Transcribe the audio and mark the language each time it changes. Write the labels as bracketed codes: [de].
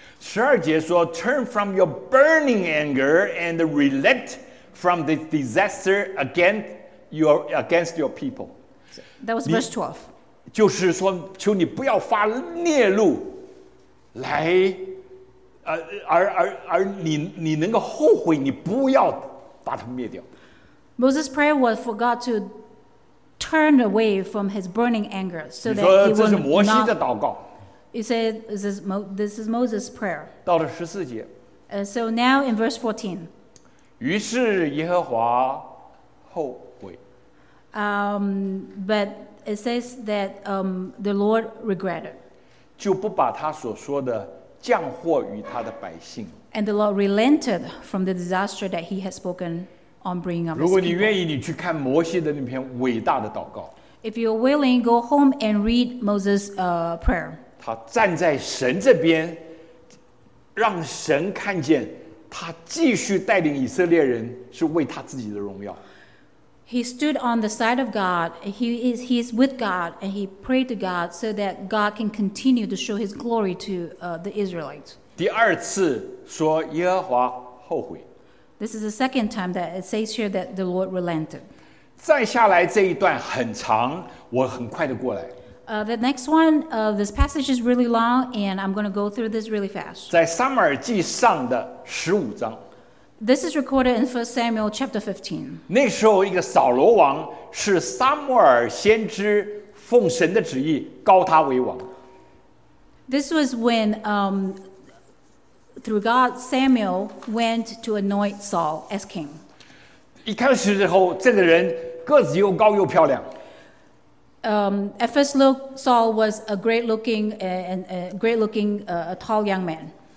[zh] 十二节说 [en] turn from your burning anger and relent from the disaster against your people. That was verse 12. [zh] 就是说求你不要发烈怒来而你能够后悔你不要把他们灭掉。 [en] Moses' prayer was for God to turn away from his burning anger so that he will not... [zh] 这是摩西的祷告。 [en] You say this is Moses' prayer. [zh] 到了十四节。 [en] So now in verse 14. [zh] 于是耶和华后悔。 [en] But it says that the Lord regretted. [zh] 就不把他所说的降祸于他的百姓。 [en] And the Lord relented from the disaster that he had spoken on bringing up his [zh] people. 如果你愿意，你去看摩西的那篇伟大的祷告。 [en] If you're willing, go home and read Moses' prayer. [zh] 他站在神这边让神看见他继续带领以色列人是为他自己的荣耀。 [en] He stood on the side of God. He is with God, and he prayed to God so that God can continue to show His glory to the Israelites. [zh] 第二次说耶和华后悔。 [en] This is the second time that it says here that the Lord relented. [zh] 再下来这一段很长，我很快的过来。 [en] The next one, this passage is really long, and I'm going to go through this really fast. [zh] 在撒母耳记上的十五章。 [en] This is recorded in 1 Samuel chapter 15. [zh] 那时候一个扫罗王是撒母耳先知奉神的旨意高他为王。 [en] This was when, through God, Samuel went to anoint Saul as king. [zh] 一开始之后，这个人个子又高又漂亮。 [en] At first look, Saul was a great-looking, a tall young man.